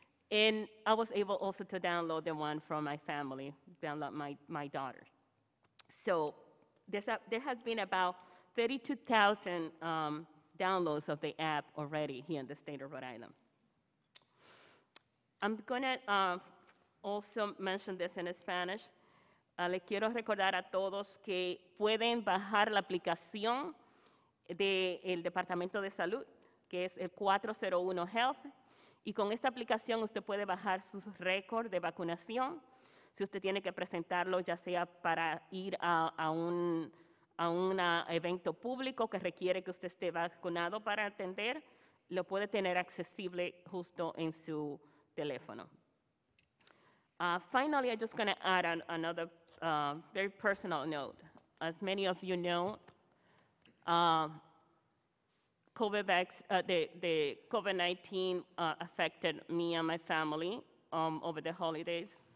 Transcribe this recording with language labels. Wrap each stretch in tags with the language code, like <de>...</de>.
<en>And I was able also to download the one from my family, download my daughter. So there has been about 32,000 downloads of the app already here in the state of Rhode Island. I'm going to also mention this in Spanish.</en> <es>Les quiero recordar a todos que pueden bajar la aplicación del Departamento de Salud, que es el 401 Health. Y con esta aplicación usted puede bajar sus récords de vacunación. Si usted tiene que presentarlo, ya sea para ir a un evento público que requiere que usted esté vacunado para atender, lo puede tener accesible justo en su teléfono.</es> <en>Finally, I'm just going to add another very personal note. As many of you know, the COVID-19 affected me and my family over the holidays.</en>